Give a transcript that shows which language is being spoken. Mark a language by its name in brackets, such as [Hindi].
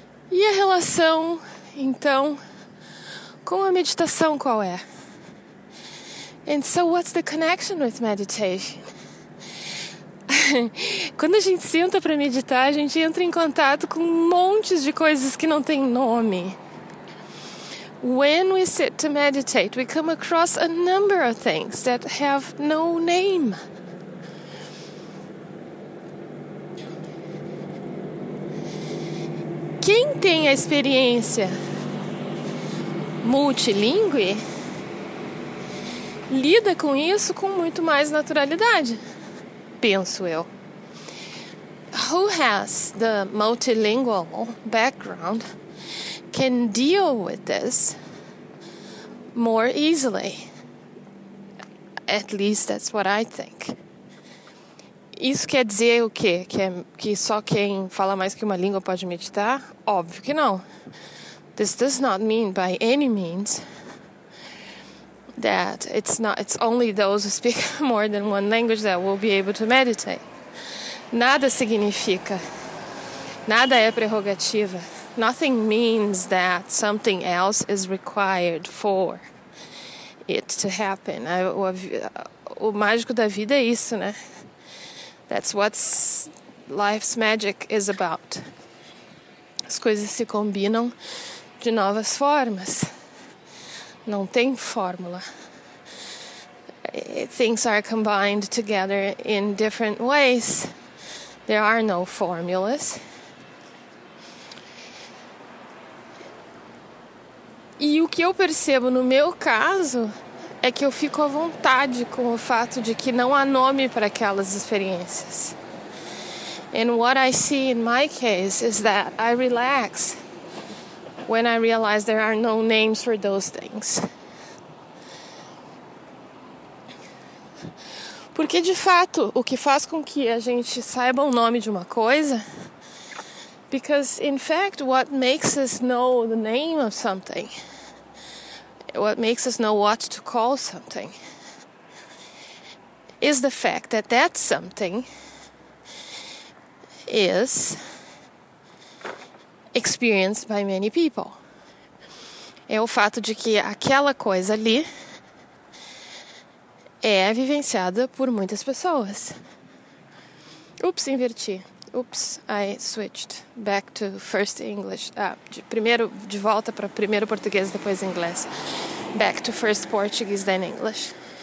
[Portuguese] E a relação, então, com a meditação qual é? [English] And so what's the connection with meditation? [Portuguese] Quando a gente senta para meditar, a gente entra em contato com montes de coisas que não têm nome. [English] When we sit to meditate, we come across a number of things that have no name. [Portuguese] Quem tem a experiência multilingue lida com isso com muito mais naturalidade, penso eu. [English] Who has the multilingual background can deal with this more easily. At least that's what I think. [Portuguese] Isso quer dizer o quê? Que só quem fala mais que uma língua pode meditar? Óbvio que não. [English] This does not mean by any means that it's only those who speak more than one language that will be able to meditate. [Portuguese] Nada significa. Nada é prerrogativa. [English] Nothing means that something else is required for it to happen. [Portuguese] O mágico da vida é isso, né? [English] That's what life's magic is about. [Portuguese] As coisas se combinam de novas formas. Não tem fórmula. [English] Things are combined together in different ways. There are no formulas. [Portuguese] E o que eu percebo no meu caso é que eu fico à vontade com o fato de que não há nome para aquelas experiências. [English] And what I see in my case is that I relax when I realize there are no names for those things. [Portuguese] Porque, de fato, o que faz com que a gente saiba o nome de uma coisa... [English] Because, in fact, what makes us know the name of something... What makes us know what to call something is the fact that that something is experienced by many people. [Portuguese] É o fato de que aquela coisa ali é vivenciada por muitas pessoas. [English] Oops, [Portuguese] inverti. [English] Oops, I switched back to first English. [Portuguese] De volta para primeiro português, depois inglês. [English] Back to first Portuguese, then English.